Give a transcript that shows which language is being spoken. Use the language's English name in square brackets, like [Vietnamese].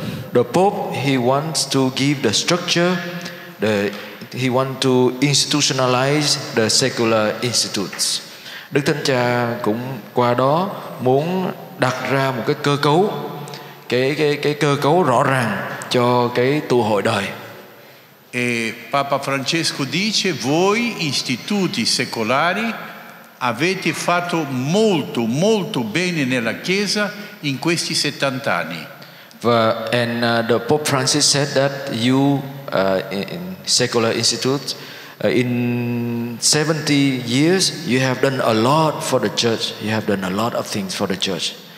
[English] The Pope, he wants to give the structure, he wants to institutionalize the secular institutes. [Vietnamese] Đức Thánh Cha cũng qua đó muốn đặt ra một cái cơ cấu, cái cơ cấu rõ ràng cho cái tu hội đời. [Italian] E Papa Francesco dice: voi istituti secolari avete fatto molto, molto bene nella Chiesa in questi 70 anni. [English] The Pope Francis said that you in secular institutes in 70 years you have done a lot for the church. You have done a lot of things for the church.